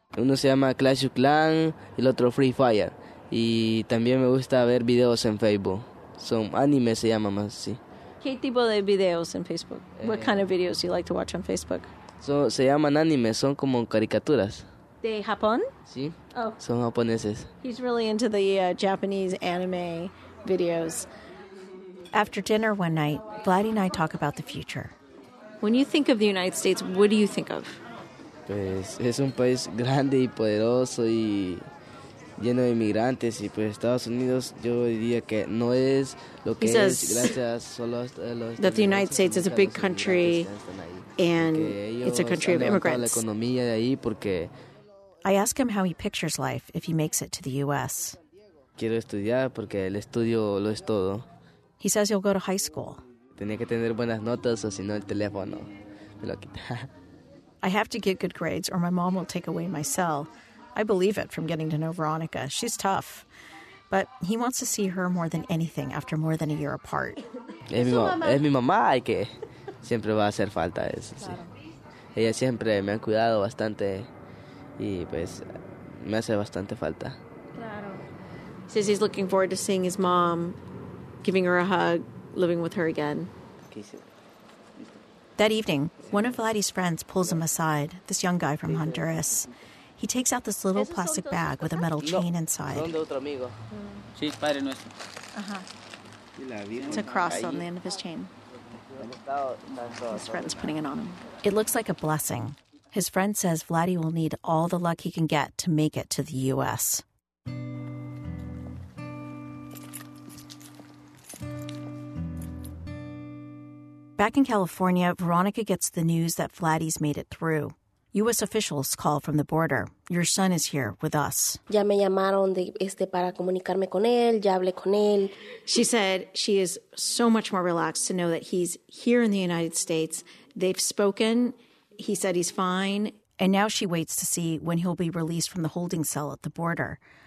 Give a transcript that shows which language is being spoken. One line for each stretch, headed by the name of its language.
Spanish: Uno se llama Clash of Clans y el otro Free Fire. Y también me gusta ver videos en Facebook. Son anime, se llama más, sí. ¿Qué tipo de videos en Facebook?
English: What kind of videos do you like to watch on Facebook?
Spanish: Se llaman anime, son como caricaturas. ¿De Japón? Sí, son japoneses.
English: He's really into the Japanese anime videos. After dinner one night, Vladdy and I talk about the future. When you think of the United States, what do you think of?
Spanish: Pues es un país grande y poderoso y lleno de inmigrantes y pues Estados Unidos yo diría que no es lo que es gracias solo a los
English: that the United States is a big country and it's a country of immigrants.
Spanish: La economía de ahí porque
English: I ask him how he pictures life if he makes it to the U.S.
Spanish: Quiero estudiar porque el estudio lo es todo.
English: He says he'll go to high school.
Spanish: Tenía que tener buenas notas o si no el teléfono me lo quita.
English: I have to get good grades or my mom will take away my cell. I believe it from getting to know Veronica. She's tough. But he wants to see her more than anything after more than a year apart.
Spanish: Es mi mamá y que siempre va a hacer falta eso, sí. Ella siempre me ha cuidado bastante y pues me hace bastante falta. Claro.
English: Says he's looking forward to seeing his mom, giving her a hug, living with her again. That evening, one of Vladdy's friends pulls him aside, this young guy from Honduras. He takes out this little plastic bag with a metal chain inside. It's a cross on the end of his chain. His friend's putting it on him. It looks like a blessing. His friend says Vladdy will need all the luck he can get to make it to the U.S. Back in California, Veronica gets the news that Vladdy's made it through. U.S. officials call from the border. Your son is here with us.
Spanish: Ya me llamaron para comunicarme con él, ya hablé con él.
English: She said she is so much more relaxed to know that he's here in the United States. They've spoken. He said he's fine. And now she waits to see when he'll be released from the holding cell at the border.